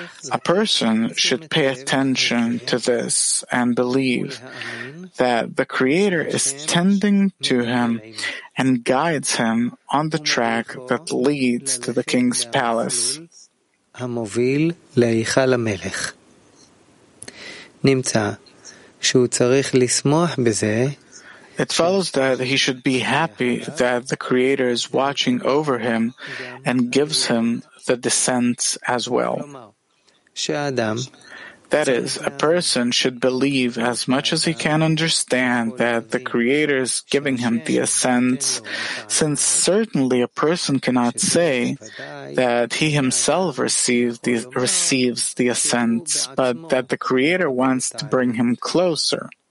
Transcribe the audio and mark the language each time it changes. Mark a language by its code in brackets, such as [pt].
[en] A person should pay attention to this and believe that the Creator is tending to him and guides him on the track that leads to the king's palace. [he] המוביל להיכל המלך. נמצא שהוא צריך לשמוח בזה. [en] It follows that he should be happy that the Creator is watching over him and gives him the descents as well. That is, a person should believe as much as he can understand that the Creator is giving him the ascents, since certainly a person cannot say that he himself receives the ascents, but that the Creator wants to bring him closer.